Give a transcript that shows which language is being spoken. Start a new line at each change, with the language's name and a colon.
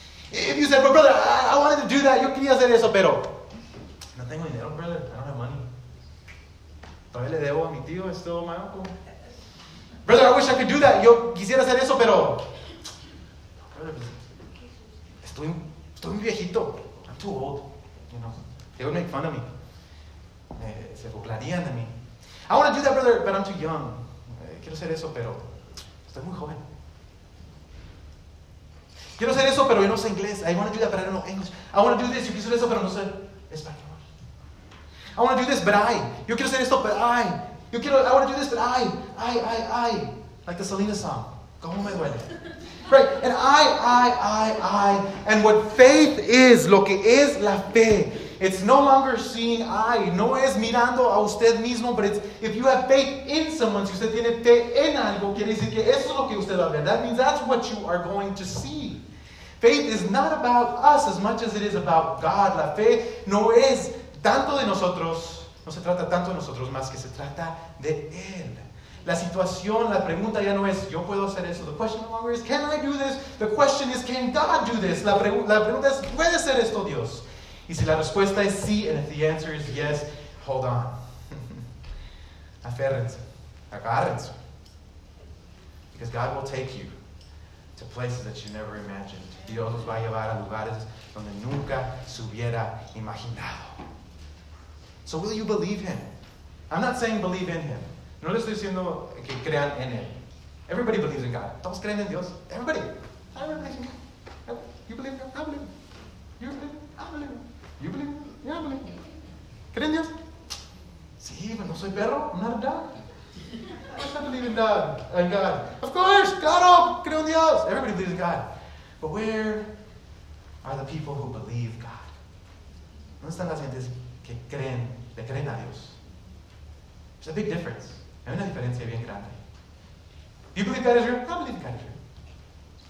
English: If you said, but brother, I wanted to do that.
Spanish: Yo quería hacer eso, pero no tengo dinero, brother.
English: I don't have money.
Spanish: Todavía le debo a mi tío. Es todo mi uncle.
English: Brother, I wish I could do that.
Spanish: Yo quisiera hacer eso, pero estoy muy viejito.
English: I'm too old. You know, they would make fun of me.
Spanish: Se burlarían de mí.
English: I want to do that, brother, but I'm too young.
Spanish: Quiero hacer eso, pero estoy muy joven. Quiero hacer eso, pero yo no sé inglés.
English: I want to do that, but I don't know English. I want to do this.
Spanish: Yo quiero hacer eso, pero no sé español.
English: I want to do this, but I.
Spanish: Yo quiero hacer esto,
English: but I.
Spanish: Yo quiero,
English: I want to do this, but I. Like the Selena song.
Spanish: Como me duele.
English: Right, and I. And what faith is,
Spanish: lo que es la fe.
English: It's no longer seeing I.
Spanish: No es mirando a usted mismo,
English: but it's if you have faith in someone,
Spanish: si usted tiene fe en algo, quiere decir que eso es lo que usted va a ver.
English: That means that's what you are going to see. Faith is not about us as much as it is about God.
Spanish: La fe no es tanto de nosotros, no se trata tanto de nosotros, más que se trata de Él. La situación, la pregunta ya no es, ¿yo puedo hacer eso?
English: The question no longer is, ¿can I do this? The question is, ¿can God do this?
Spanish: La pregunta es, ¿puede hacer esto Dios? Y si la respuesta es sí,
English: and if the answer is yes, hold on.
Spanish: Aférrense. Agárrense.
English: Because God will take you to places that you never imagined.
Spanish: Dios los va a llevar a lugares donde nunca se hubiera imaginado.
English: So will you believe Him? I'm not saying believe in Him.
Spanish: No le estoy diciendo que crean en Él.
English: Everybody believes in God.
Spanish: ¿Todos creen en Dios?
English: Everybody. I believe in God. You believe in God? I believe. You believe? I believe. You believe? Yeah, I believe.
Spanish: ¿Creen Dios? Sí, pero no soy perro.
English: I'm not a dog. I believe in God. And God. Of course. God, oh,
Spanish: creo en Dios.
English: Everybody believes in God. But where are the people who believe God?
Spanish: ¿Dónde están las gentes que creen, le creen a Dios?
English: There's a big difference.
Spanish: Hay una diferencia bien grande.
English: You believe God is real? I believe God is real.